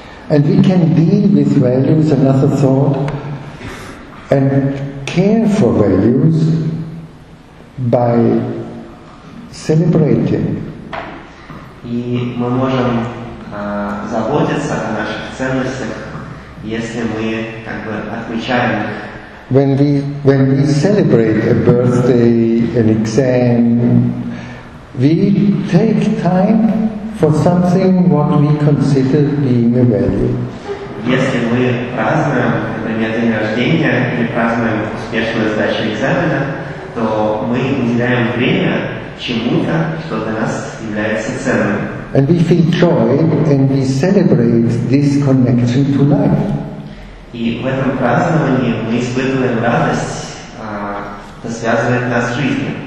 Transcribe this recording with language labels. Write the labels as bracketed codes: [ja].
[en] And we can deal with values, another thought, and care for values by celebrating. [ru] И мы можем заботиться о наших ценностях, если мы как бы отмечаем их. [en] When we celebrate a birthday, an exam, we take time for something what we consider being a value. [ru] Если мы празднуем, например, день рождения или празднуем успешную сдачу экзамена, то мы уделяем время чему-то, что для нас является ценным. [en] And we feel joy and we celebrate this connection to life. [ru] И в этом праздновании мы испытываем радость, что связывает нас с жизнью.